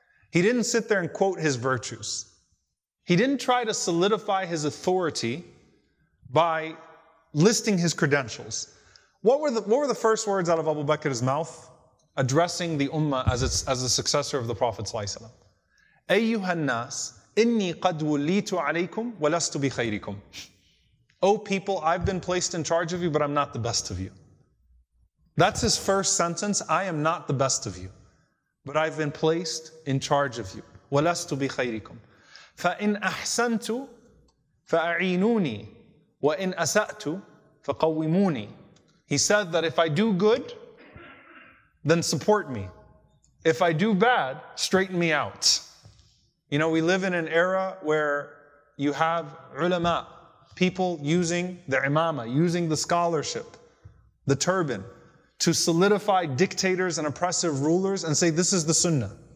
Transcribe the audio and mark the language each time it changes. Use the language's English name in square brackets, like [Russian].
[English] He didn't sit there and quote his virtues. He didn't try to solidify his authority by listing his credentials. What were the first words out of Abu Bakr's mouth addressing the ummah as a successor of the Prophet ﷺ? [Arabic] أيها الناس إني قد وليت عليكم ولست بخيركم. [English] Oh people, I've been placed in charge of you, but I'm not the best of you. That's his first sentence. I am not the best of you, but I've been placed in charge of you. [Arabic] ولست بخيركم. فإن أحسنت فأعينوني وإن أسأت فقوموني. [English] He said that if I do good, then support me. If I do bad, straighten me out. You know, we live in an era where you have ulama, people using the imama, using the scholarship, the turban, to solidify dictators and oppressive rulers and say, this is the sunnah.